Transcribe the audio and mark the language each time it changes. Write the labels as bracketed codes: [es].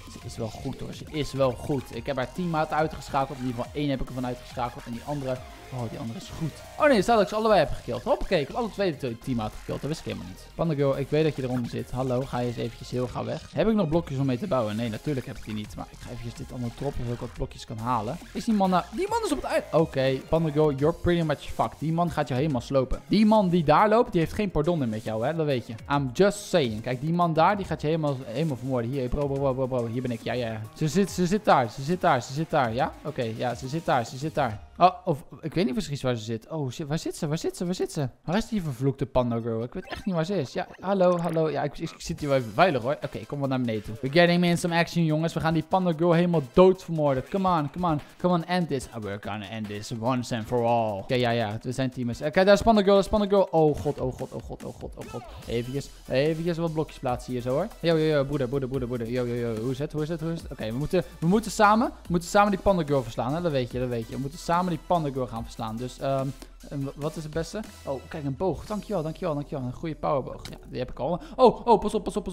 [nl] is wel goed hoor. Ze is wel goed. Ik heb haar 10 maat uitgeschakeld. In ieder geval 1 heb ik ervan uitgeschakeld. En die andere. Oh, die andere is goed. Oh nee, staat dat ik ze allebei heb gekild. Hoppakee, ik heb alle 2 10 maat gekild. Dat wist ik helemaal niet. Pandagirl, ik weet dat je eronder zit. Hallo, ga je eens eventjes heel gauw weg. Heb ik nog blokjes om mee te bouwen? Nee, natuurlijk heb ik die niet. Maar ik ga eventjes dit allemaal droppen zodat ik wat blokjes kan halen. Is die man nou. Die man is op het uit. [en] Okay, Pandagirl, you're pretty much fucked. [nl] Die man gaat je helemaal slopen. Die man die daar loopt, die heeft geen pardon meer met jou, hè? Dat weet je. [en] I'm just saying. [nl] Kijk, die man daar, die gaat je helemaal vermoorden. Hier, bro. Hier ben ik. Ja, ja, ja. Ze zit daar. Ja? Okay, ja, ze zit daar. Oh, of ik weet niet precies waar ze zit. Oh, waar zit ze? Waar is die vervloekte panda girl? Ik weet echt niet waar ze is. Ja, hallo. Ja, ik zit hier wel even veilig hoor. Oké, ik kom wel naar beneden toe. [en] We're getting in some action, [nl] jongens. We gaan die panda girl helemaal dood vermoorden. [en] Come on, end this. We're gonna end this once and for all. [nl] Oké, okay, ja, we zijn teamers. Kijk, daar is panda girl, Oh god. Even wat blokjes plaatsen hier zo hoor. Yo, broeder. Yo, hoe is het? Oké, we moeten samen die panda girl verslaan, hè? Dat weet je. We moeten samen. Samen die panda girl gaan verslaan. Dus wat is het beste? Oh, kijk, een boog. Dankjewel. Een goede powerboog. Ja, die heb ik al. Oh, pas op.